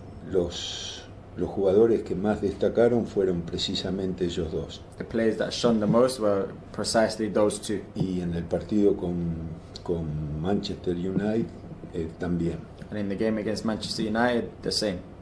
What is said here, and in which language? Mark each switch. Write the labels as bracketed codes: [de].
[es] Los jugadores que más destacaron fueron precisamente ellos dos. [en] The players that shone the most were precisely those two. [es] Y en el partido con Manchester United, también. [en] And in the game against Manchester United, the same.